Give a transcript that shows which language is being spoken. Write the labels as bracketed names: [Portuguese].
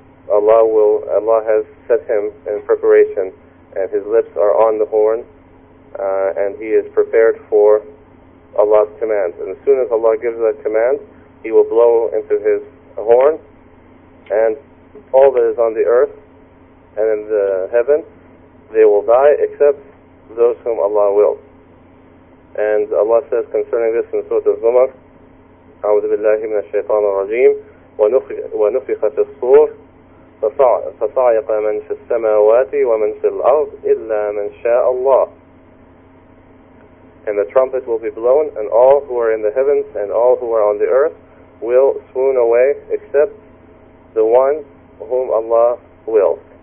[English] Allah has set him in preparation, and his lips are on the horn, and he is prepared for Allah's command. And as soon as Allah gives that command, he will blow into his horn, and all that is on the earth and in the heaven, they will die except those whom Allah wills. And Allah says concerning this in Surah Az-Zumar, [Arabic] أعوذ بالله من الشيطان الرجيم ونفخ في الصور فصعق من في السماوات ومن في الأرض إلا من شاء الله. [English] And the trumpet will be blown, and all who are in the heavens and all who are on the earth will swoon away except the one whom Allah wills.